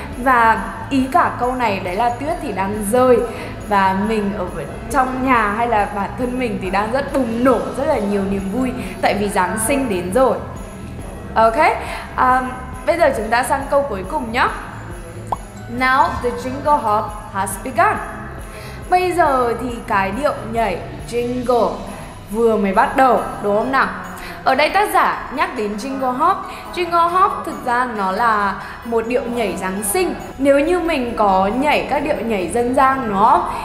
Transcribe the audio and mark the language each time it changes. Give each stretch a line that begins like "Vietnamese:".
Vietnamese: Và ý cả câu này đấy là tuyết thì đang rơi và mình ở trong nhà hay là bản thân mình thì đang rất bùng nổ, rất là nhiều niềm vui tại vì Giáng sinh đến rồi. Ok, bây giờ chúng ta sang câu cuối cùng nhé.
English: Now the jingle hop has begun.
Vietnamese: Bây giờ thì cái điệu nhảy jingle vừa mới bắt đầu, đúng không nào? Ở đây tác giả nhắc đến jingle hop. Jingle hop thực ra nó là một điệu nhảy Giáng sinh. Nếu như mình có nhảy các điệu nhảy dân gian đúng không?